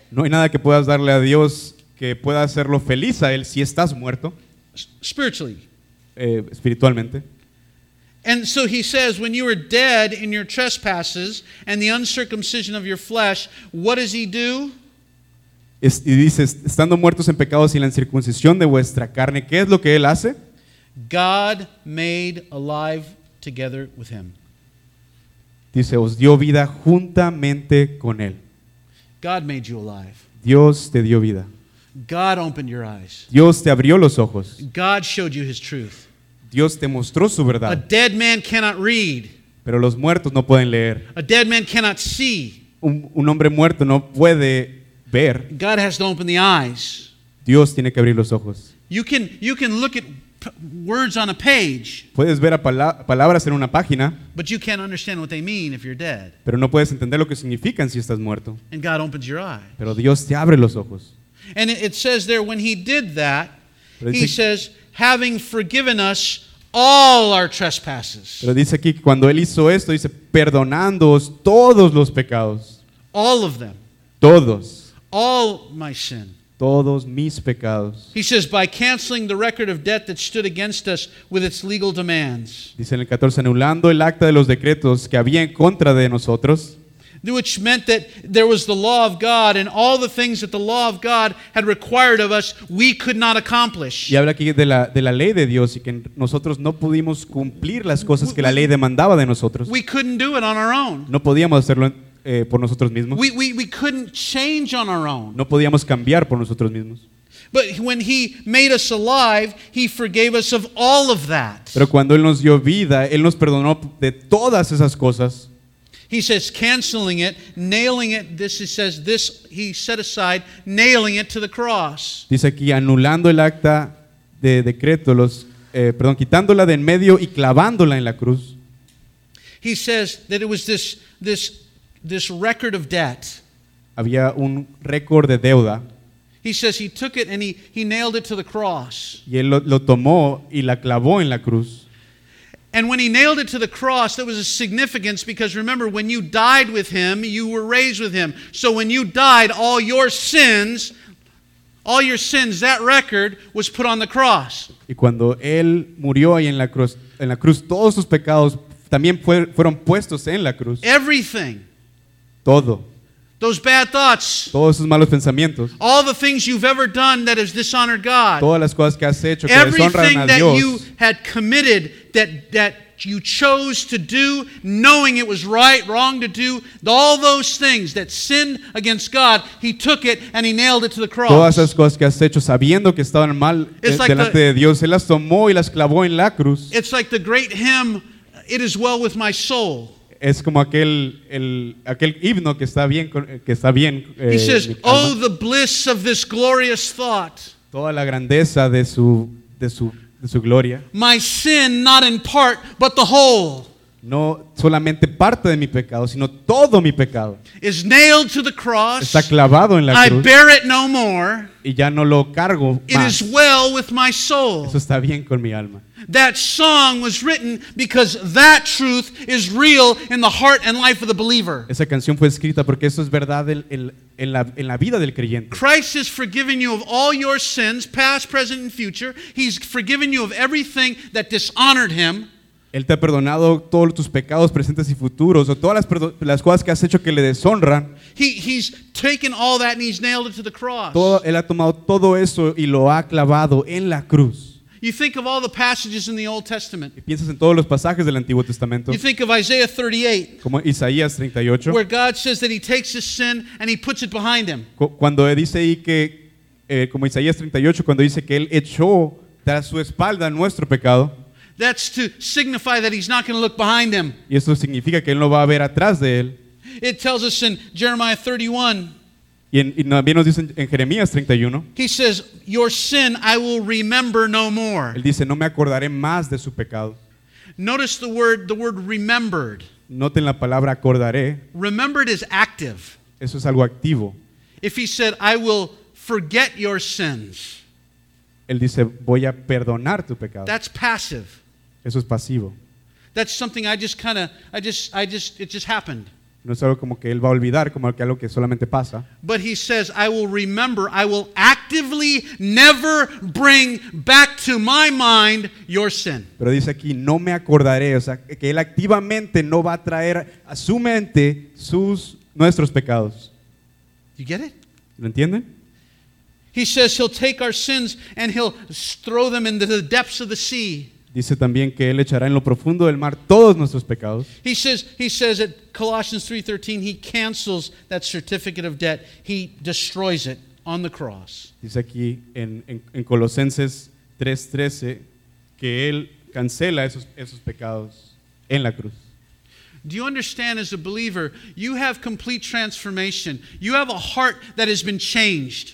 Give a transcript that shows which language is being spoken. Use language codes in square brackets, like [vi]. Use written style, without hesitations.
[es] No hay nada que puedas darle a Dios que pueda hacerlo feliz a él si estás muerto. [en] Spiritually. [es] Espiritualmente. [en] And so he says, when you were dead in your trespasses and the uncircumcision of your flesh, what does he do? [es] Y dice, estando muertos en pecados y la incircuncisión de vuestra carne, ¿qué es lo que él hace? [en] God made alive together with him. [es] Dice, os dio vida juntamente con él. [en] God made you alive. [es] Dios te dio vida. [en] God opened your eyes. [es] Dios te abrió los ojos. [en] God showed you his truth. [es] Dios te mostró su verdad. [en] A dead man cannot read. [es] Pero los muertos no pueden leer. [en] A dead man cannot see. [es] Un hombre muerto no puede ver. [en] God has to open the eyes. [es] Dios tiene que abrir los ojos. [en] You can look at words on a page. [es] Puedes ver palabras en una página. [en] But you can't understand what they mean if you're dead. [es] Pero no puedes entender lo que significan si estás muerto. [en] And God opens your eyes. [es] Pero Dios te abre los ojos. [en] And it says there when he did that, he says, having forgiven us all our trespasses. [es] Pero dice aquí que cuando él hizo esto, dice, perdonándoos todos los pecados. [en] All of them. [es] Todos. [en] All my sin. [es] Todos mis pecados. [en] He says, by canceling the record of debt that stood against us with its legal demands. [es] Dice en el 14, anulando el acta de los decretos que había en contra de nosotros. [en] which meant that there was the law of God, and all the things that the law of God had required of us, we could not accomplish. [es] Y habla aquí de la ley de Dios, y que nosotros no pudimos cumplir las cosas que la ley demandaba de nosotros. [en] We couldn't do it on our own. [es] No podíamos hacerlo por nosotros mismos. [en] We couldn't change on our own. [es] No podíamos cambiar por nosotros mismos. [en] But when he made us alive, he forgave us of all of that. [es] Pero cuando él nos dio vida, él nos perdonó de todas esas cosas. [en] He says, canceling it, nailing it. This he says, this he set aside, nailing it to the cross. [es] Dice aquí, anulando el acta de decreto, quitándola de en medio y clavándola en la cruz. [en] He says that it was this record of debt. [es] Había un récord de deuda. [en] He says he took it and he nailed it to the cross. [es] Y él lo tomó y la clavó en la cruz. [en] And when he nailed it to the cross, there was a significance, because remember, when you died with him, you were raised with him. So when you died, all your sins, that record was put on the cross. [es] Y cuando él murió ahí en la cruz, todos sus pecados también fueron puestos en la cruz. [en] Everything. [es] Todo. [en] Those bad thoughts. [es] Todos esos malos pensamientos. [en] All the things you've ever done that has dishonored God. [es] Todas las cosas que has hecho que deshonran a Dios. [en] Everything that you had committed that you chose to do, knowing it was right, wrong to do, all those things that sinned against God, he took it and he nailed it to the cross. [es] Todas esas cosas que has hecho sabiendo que estaban mal delante de Dios, él las tomó y las clavó en la cruz. [en] It's like the great hymn, "It Is Well With My Soul." [es] Es como aquel himno que está bien. [en] He says, "Oh, the bliss of this glorious thought." [es] Toda la grandeza de su gloria. [en] My sin, not in part, but the whole. [es] No solamente parte de mi pecado, sino todo mi pecado. [en] Is nailed to the cross. [es] Está clavado en la cruz. [en] I bear it no more. [es] Y ya no lo cargo más. [en] It is well with my soul. [es] Eso está bien con mi alma. [en] That song was written because that truth is real in the heart and life of the believer. [es] Esa canción fue escrita porque eso es verdad en la vida del creyente. [en] Christ has forgiven you of all your sins, past, present, and future. He's forgiven you of everything that dishonored him. [es] Él te ha perdonado todos tus pecados presentes y futuros, o todas las cosas que has hecho que le deshonran. [en] He's taken all that and he's nailed it to the cross. [es] Él ha tomado todo eso y lo ha clavado en la cruz. [en] You think of all the passages in the Old Testament. [es] Y piensas en todos los pasajes del Antiguo Testamento. [en] You think of Isaiah 38. [es] Como Isaías 38. [en] Where God says that he takes his sin and he puts it behind him. [es] Cuando dice ahí que, como Isaías 38, cuando dice que él echó tras su espalda nuestro pecado. [en] That's to signify that he's not going to look behind him. [es] Y eso significa que él no va a ver atrás de él. [en] It tells us in Jeremiah 31. [es] Y también nos dicen en Jeremías 31. [en] He says, "Your sin I will remember no more." [es] Él dice, no me acordaré más de su pecado. [en] Notice the word remembered. [es] Noten la palabra acordaré. [en] Remembered is active. [es] Eso es algo activo. [en] If he said, "I will forget your sins." [es] Él dice, voy a perdonar tu pecado. [en] That's passive. [es] Eso es pasivo. [en] That's something it just happened. [es] No es algo como que él va a olvidar, como algo que solamente pasa. [en] But he says, "I will remember, I will actively never bring back to my mind your sin." [es] Pero dice aquí, no me acordaré, o sea, que él activamente no va a traer a su mente nuestros pecados. [en] You get it? [es] ¿Lo entienden? [en] He says he'll take our sins and he'll throw them into the depths of the sea. [es] Dice también que él echará en lo profundo del mar todos nuestros pecados. [en] He says at Colossians 3:13 he cancels that certificate of debt. He destroys it on the cross. [es] Dice aquí en Colosenses 3:13 que él cancela esos pecados en la cruz. [en] Do you understand, as a believer, you have complete transformation. You have a heart that has been changed.